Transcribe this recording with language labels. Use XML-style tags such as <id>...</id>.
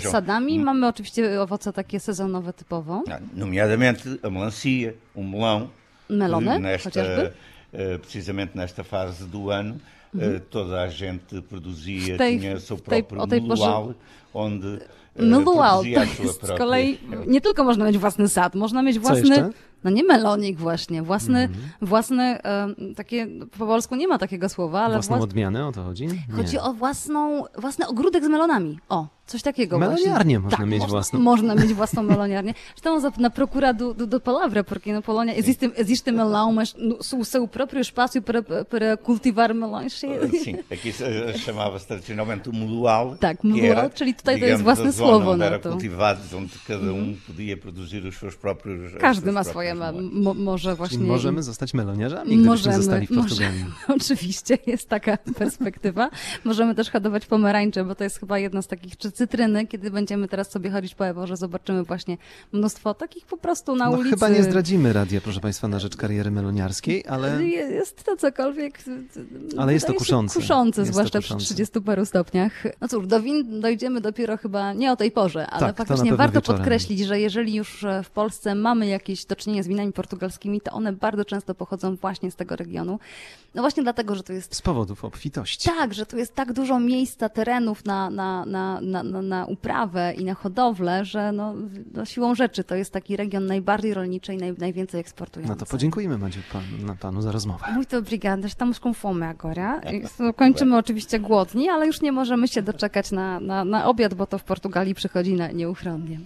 <pl>Poza sadami mamy oczywiście owoce takie sezonowe typowo.</pl> <pt>Nomeadamente a melancia, o melão.</pt> <pl>Melony, chociażby.</pl> <pt>Precisamente nesta fase do ano, toda a gente produzia, tinha seu próprio luau, onde...</pt> <pl>No luau, to jest z kolei, nie tylko można mieć własny sad, można mieć własny, no nie melonik właśnie, własny, własny, takie, po polsku nie ma takiego słowa, ale... Własną odmianę, o to chodzi? Nie. Chodzi o własny ogródek z melonami, o, coś takiego meloniarnię właśnie. Meloniarnię można tak, mieć własną. Można mieć własną meloniarnię.</pl> <pt>Zresztą na procura do palavra, porque no Polonia existe melão, mas o seu próprio espaço para cultivar melões. Sim, aqui chamava-se tradicionalmente o melual.</pt> <pl>Tak, melual, czyli tutaj to jest własne słowo.</pl> <pt>Onde era cultivado, onde cada podia produzir os seus próprios...</pt> <pl>Każdy ma swoje, może właśnie... Możemy zostać meloniarzami, gdybyśmy zostali w Portugalii. Oczywiście, jest taka perspektywa. Możemy też hodować pomarańcze, bo to jest chyba jedna z takich, czy cytryny, kiedy będziemy teraz sobie chodzić po Eworze, zobaczymy właśnie mnóstwo takich po prostu na ulicy. Chyba nie zdradzimy radia, proszę Państwa, na rzecz kariery meloniarskiej, ale... Jest to cokolwiek... Ale jest to kuszące. Kuszące, zwłaszcza przy 30 paru stopniach. No cóż, do win dojdziemy dopiero chyba nie o tej porze, ale tak, faktycznie warto podkreślić, że jeżeli już w Polsce mamy jakieś do czynienia z winami portugalskimi, to one bardzo często pochodzą właśnie z tego regionu. No właśnie dlatego, że to jest... Z powodów obfitości. Tak, że tu jest tak dużo miejsca, terenów na uprawę i na hodowlę, że no, no siłą rzeczy to jest taki region najbardziej rolniczy i najwięcej eksportujący. No to podziękujemy panu za rozmowę.</pl> <pt>Muito obrigada, estamos com fome agora.</pt> <pl>Kończymy oczywiście głodni, ale już nie możemy się doczekać na obiad, bo to w Portugalii przychodzi na nieuchronnie.</pl>